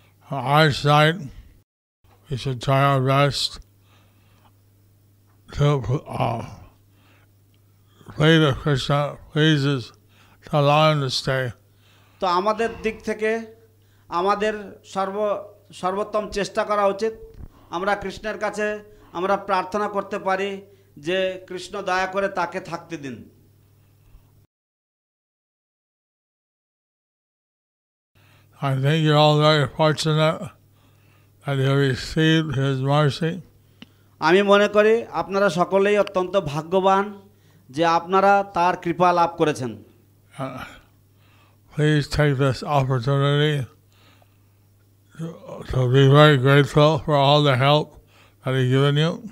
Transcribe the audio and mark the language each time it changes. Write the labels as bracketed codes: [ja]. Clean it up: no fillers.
[en] our side we should try our best to pray that Krishna pleases to allow him to stay [bn] তো আমাদের দিক থেকে আমাদের সর্বোত্তম চেষ্টা করা উচিত আমরা কৃষ্ণের কাছে আমরা প্রার্থনা করতে পারি যে কৃষ্ণ দয়া করে তাকে থাকতে দিন [en] I think you're all very fortunate that you received his mercy. [bn] আমি মনে করি আপনারা সকলেই অত্যন্ত ভাগ্যবান যে আপনারা তার কৃপা লাভ করেছেন. [en] Please take this opportunity to be very grateful for all the help that he's given you.